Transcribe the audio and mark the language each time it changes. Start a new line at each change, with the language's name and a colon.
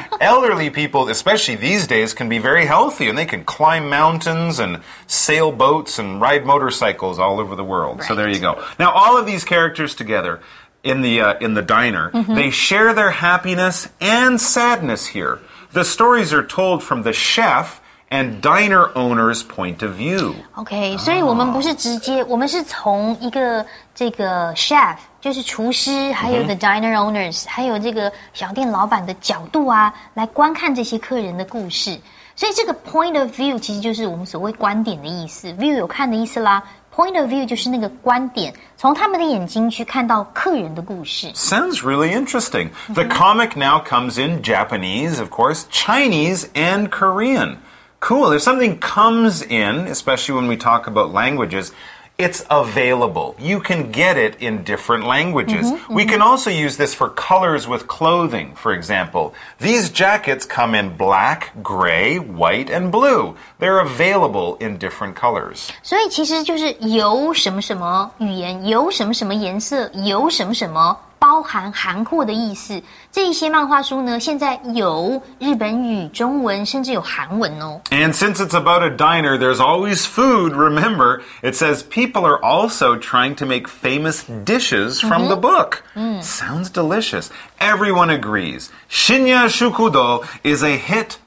English: Elderly people, especially these days, can be very healthy and they can climb mountains and sail boats and ride motorcycles all over the world. Right. So there you go. Now, all of these characters together, In the diner, mm-hmm. they share their happiness and sadness here. The stories are told from the chef and diner owner's point of view.
Chinese: Okay, 所以我们不是直接，我们是从一个这个 chef， 就是厨师，还有
English: the diner owners，
Chinese: 还有这个小店老板的角度啊，来观看这些客人的故事。所以这个 point of view 其实就是我们所谓观点的意思 ，view 有看的意思啦。 Point of view 就是那个观点，从他们的眼睛去看到客人的故事。
English: Sounds really interesting. The comic now comes in Japanese, of course, Chinese, and Korean. Cool. If something comes in, especially when we talk about languages, it's available. You can get it in different languages. Mm-hmm, mm-hmm. We can also use this for colors with clothing, for example. These jackets come in black, gray, white, and blue. They're available in different colors.
Chinese: 所以其实就是有什么什么语言，有什么什么颜色，有什么什么包含含括的意思。这些漫画书呢，现在有日本语、中文，甚至有韩文哦。
English: And since it's about a diner, there's always food, remember? It says people are also trying to make famous dishes from the book. Sounds delicious. Everyone agrees. Shinya Shukudo is a hit